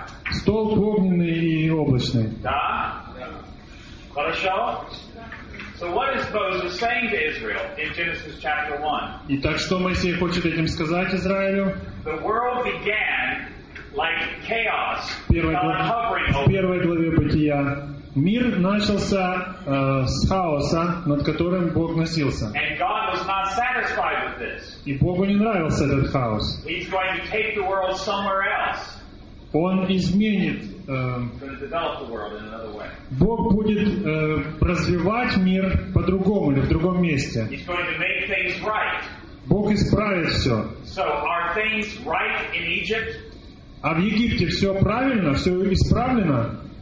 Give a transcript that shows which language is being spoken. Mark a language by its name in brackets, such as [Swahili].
[Russian] Столб огненный и облачный. Да? Хорошо? [English] So what is Moses saying to Israel in Genesis chapter 1? [Russian] Итак, что Моисей хочет этим сказать Израилю? [English] The world began like chaos. [Russian] В первой главе Бытия мир начался с хаоса, над которым Бог носился. [English] And God was not satisfied with this. [Russian] И Богу не нравился этот хаос. [English] He's going to take the world somewhere else. [Russian] Он изменит. Бог будет развивать мир по-другому или в другом месте. [English] Right. [Russian] Бог исправит все. [English] So are things right in Egypt? [Russian] А в Египте все правильно, все исправлено?